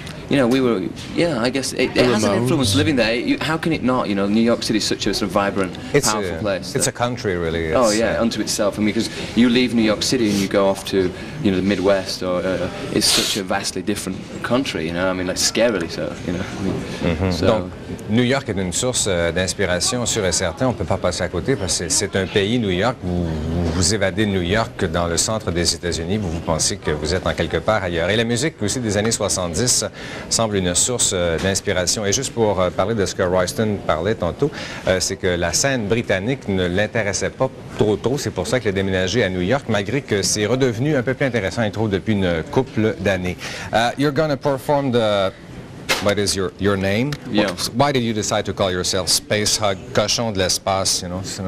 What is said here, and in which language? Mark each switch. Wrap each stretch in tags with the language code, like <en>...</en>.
<en>You know, we were, yeah, I guess it has an influence living there. How can it not, you know? New York City is such a sort of vibrant, powerful place. It's a country, really. Oh, yeah, unto itself. I mean, because you leave New York City and you go off to, you know, the Midwest, or it's such a vastly different country, you know? I mean, like, scarily so, you know? I mean, mm-hmm. So.</en> <fr>New York est une source d'inspiration, sûr et certain. On ne peut pas passer à côté parce que c'est un pays, New York. Vous évadez New York dans le centre des États-Unis. Vous pensez que vous êtes en quelque part ailleurs. Et la musique aussi des années 70 semble une source d'inspiration. Et juste pour parler de ce que Royston parlait tantôt, c'est que la scène britannique ne l'intéressait pas trop. C'est pour ça qu'il a déménagé à New York, malgré que c'est redevenu un peu plus intéressant, il trouve, depuis une couple d'années.</fr> <en>You're gonna perform the... What is your name? Yeah. Why did you decide to call yourself Spacehog,</en> <fr>Cochon de l'espace,</fr> <en>you know?</en>